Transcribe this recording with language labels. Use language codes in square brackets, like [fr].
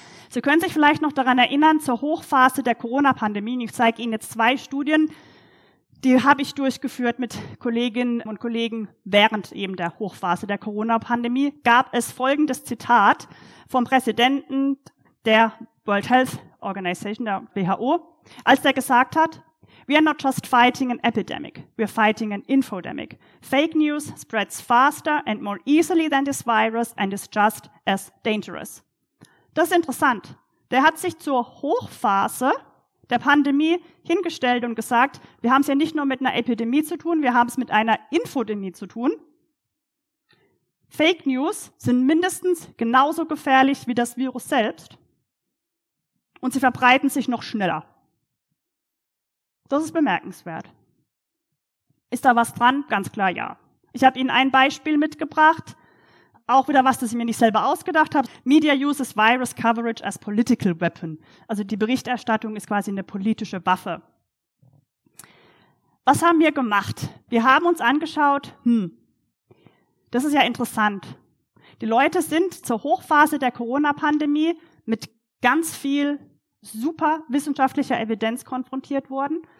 [de] Sie können sich vielleicht noch daran erinnern, zur Hochphase der Corona-Pandemie, ich zeige Ihnen jetzt zwei Studien, die habe ich durchgeführt mit Kolleginnen und Kollegen während eben der Hochphase der Corona-Pandemie, gab es folgendes Zitat vom Präsidenten der World Health Organization, der WHO, als der gesagt hat, [en] "We are not just fighting an epidemic, we are fighting an infodemic. Fake news spreads faster and more easily than this virus and is just as dangerous." [de] Das ist interessant. Der hat sich zur Hochphase der Pandemie hingestellt und gesagt, wir haben es ja nicht nur mit einer Epidemie zu tun, wir haben es mit einer Infodemie zu tun. Fake news sind mindestens genauso gefährlich wie das Virus selbst und sie verbreiten sich noch schneller. Das ist bemerkenswert. Ist da was dran? Ganz klar ja. Ich habe Ihnen ein Beispiel mitgebracht, auch wieder was, das ich mir nicht selber ausgedacht habe. [en] Media uses virus coverage as political weapon. [de] Also die Berichterstattung ist quasi eine politische Waffe. Was haben wir gemacht? Wir haben uns angeschaut, das ist ja interessant. Die Leute sind zur Hochphase der Corona-Pandemie mit ganz viel super wissenschaftlicher Evidenz konfrontiert worden.